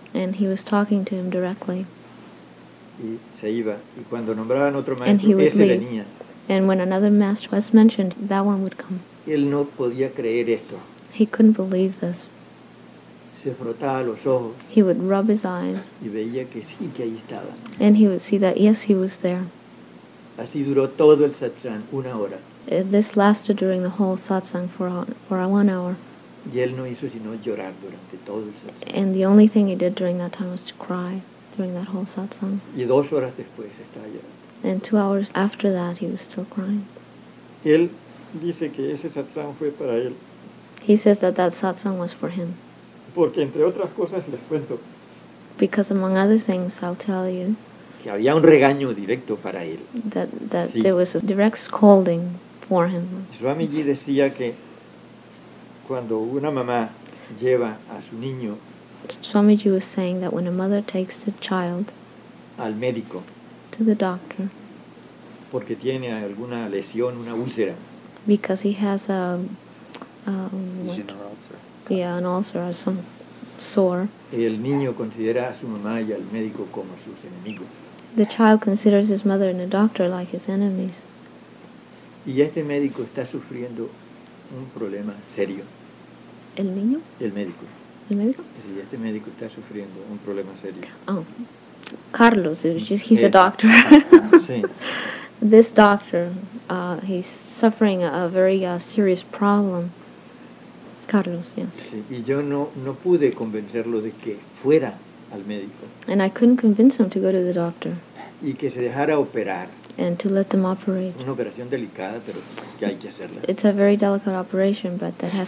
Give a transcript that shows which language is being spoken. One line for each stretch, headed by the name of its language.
English: And he was talking to him directly.
Spanish: Y se iba, y cuando nombraban otro maestro, ese
English: leave.
Spanish: Venía.
English: And when another master was mentioned, that one would come.
Spanish: Él no podía creer esto.
English: He couldn't believe this.
Spanish: Se frotaba los ojos.
English: He would rub his eyes.
Spanish: Y veía que sí, que ahí estaba.
English: And he would see that, yes, he was there.
Spanish: Así duró todo el satsang, una hora.
English: This lasted during the whole satsang for 1 hour.
Spanish: Y él no hizo sino llorar durante todo el satsang.
English: And the only thing he did during that time was to cry during that whole satsang.
Spanish: Y 2 horas después estaba llorando.
English: And 2 hours after that he was still crying.
Spanish: Él dice que ese satsang fue para él.
English: He says that that satsang was for him.
Spanish: Porque entre otras cosas les cuento.
English: Because among other things, I'll tell you.
Spanish: Que había un regaño directo para él.
English: That
Spanish: sí.
English: There was a direct scolding for him.
Spanish: Swamiji decía que cuando una mamá lleva a su niño.
English: Swamiji was saying that when a mother takes the child.
Spanish: Al médico.
English: To the doctor.
Spanish: Porque tiene alguna lesión, una úlcera.
English: Because he has a... an ulcer. Yeah, an ulcer or some sore.
Spanish: El niño considera a su mamá y al médico como sus enemigos.
English: The child considers his mother and the doctor like his enemies.
Spanish: Y este médico está sufriendo un problema serio. ¿El niño? El médico. ¿El médico? Sí, este médico está sufriendo un problema serio.
English: Oh, Carlos, he's a doctor.
Spanish: Sí.
English: This doctor, he's suffering a very serious problem. Carlos, yes.
Spanish: Sí, y yo no pude convencerlo de que fuera al médico.
English: And I couldn't convince him to go to the doctor.
Spanish: Y que se dejara operar.
English: And to let them operate.
Spanish: Una operación delicada, pero que hay que hacerla.
English: It's a very delicate operation, but that has